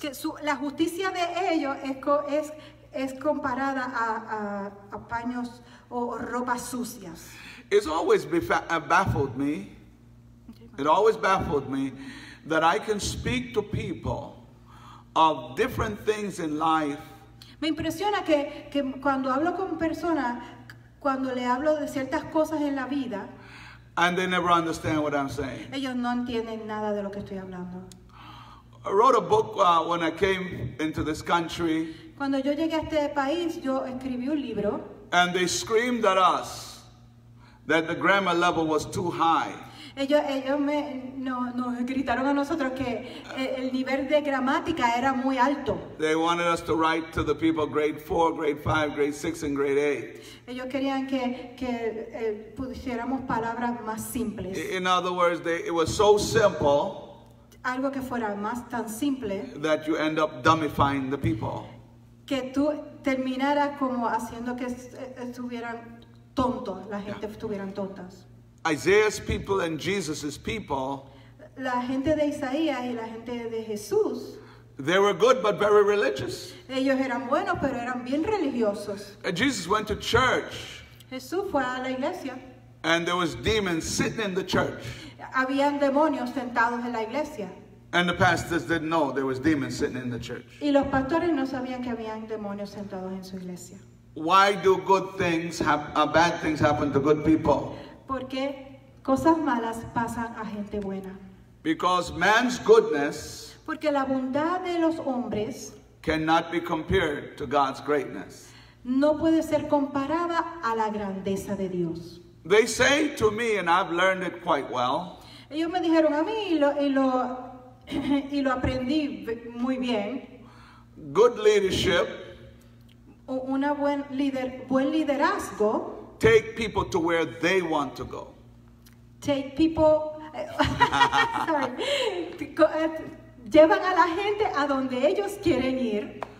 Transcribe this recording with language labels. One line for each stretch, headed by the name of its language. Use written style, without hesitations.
Spanish: Que la justicia de ellos es comparada a paños o ropas sucias.
English: It's always baffled me. It always baffled me that I can speak to people of different things in life.
Spanish: Me impresiona que cuando hablo con personas, cuando le hablo de ciertas cosas en la vida,
English: and they never understand what I'm saying.
Spanish: Ellos no entienden nada de lo que estoy hablando.
English: I wrote a book when I came into this country.
Spanish: Cuando yo llegué a este país, yo escribí un libro.
English: And they screamed at us that the grammar level was too high.
Spanish: Ellos nos gritaron a nosotros que el nivel de gramática era muy alto.
English: They wanted us to write to the people grade 4, grade 5, grade 6, and grade 8.
Spanish: Ellos querían que pusiéramos palabras más simples.
English: In other words, it was so simple.
Spanish: Algo que fuera más tan simple.
English: That you end up dumbifying the people.
Spanish: Que tú terminaras como haciendo que estuvieran tontos, la gente estuvieran tontas.
English: Isaiah's people and Jesus's people.
Spanish: La gente de Isaías y la gente de Jesús.
English: They were good but very religious.
Spanish: Ellos eran buenos pero eran bien religiosos.
English: And Jesus went to church.
Spanish: Jesús fue a la iglesia.
English: And there was demons sitting in the church.
Spanish: Habían demonios sentados en la iglesia.
English: And the pastors didn't know there was demons sitting in the church.
Spanish: Y los pastores no sabían que habían demonios sentados en su iglesia.
English: Why do good things bad things happen to good people?
Spanish: Porque cosas malas pasan a gente buena.
English: Because man's goodness,
Spanish: porque la bondad de los hombres,
English: cannot be compared to God's greatness.
Spanish: No puede ser comparada a la grandeza de Dios.
English: They say to me, and I've learned it quite well.
Spanish: Ellos me dijeron a mí y lo aprendí muy bien.
English: Good leadership.
Spanish: Buen liderazgo.
English: Take people to where they want to go. Take people. Sorry.
Spanish: Llevan a la gente a donde ellos quieren ir.